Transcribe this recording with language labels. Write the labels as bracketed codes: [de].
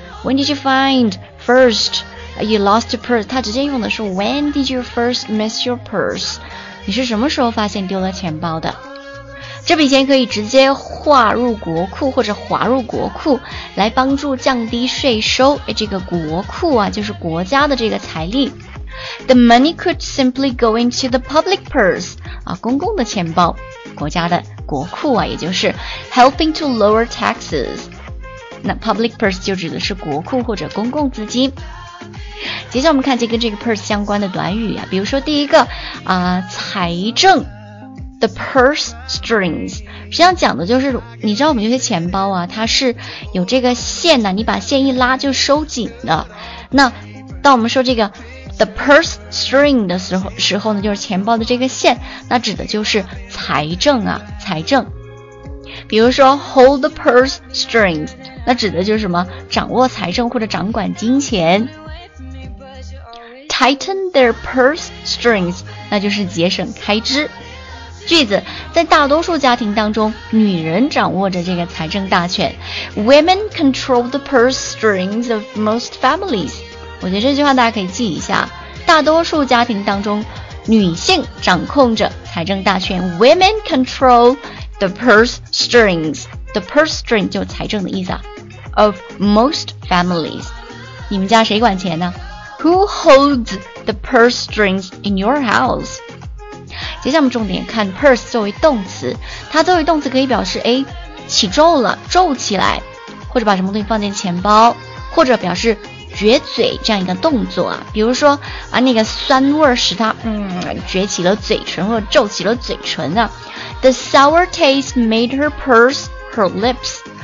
[en] When did you find first you lost your purse? [zh] 它直接用的是 [en] When did you first miss your purse? [zh] 你是什么时候发现丢了钱包的？这笔钱可以直接划入国库或者划入国库，来帮助降低税收。这个国库啊，就是国家的这个财力。 [en] The money could simply go into the public purse. [zh] 啊，公共的钱包，国家的国库啊，也就是 [en] helping to lower taxes. [zh] 那 public purse 就指的是国库或者公共资金。接下来我们看跟这个 purse 相关的短语啊，比如说第一个啊，财政 ， [en] the purse strings。 [zh] 实际上讲的就是，你知道我们有些钱包啊，它是有这个线呢，你把线一拉就收紧了。那当我们说这个 [en] The purse string [zh] 的时候呢，就是钱包的这个线，那指的就是财政啊，财政。比如说 [en] hold the purse strings, [zh] 那指的就是什么？掌握财政或者掌管金钱。 [en] Tighten their purse strings, [zh] 那就是节省开支。句子，在大多数家庭当中，女人掌握着这个财政大权。 [en] Women control the purse strings of most families. [zh] 我觉得这句话大家可以记一下，大多数家庭当中女性掌控着财政大权。 [en] Women control the purse strings, the purse string [zh] 就财政的意思啊。 [en] Of most families, [zh] 你们家谁管钱呢？ [en] Who holds the purse strings in your house? [zh] 接下来我们重点看 purse 作为动词，它作为动词可以表示诶，起皱了，皱起来，或者把什么东西放进钱包，或者表示撅嘴这样一个动作啊，比如说啊，那个酸味使它撅起了嘴唇或者皱起了嘴唇啊。 [en] The sour taste made her purse her lips.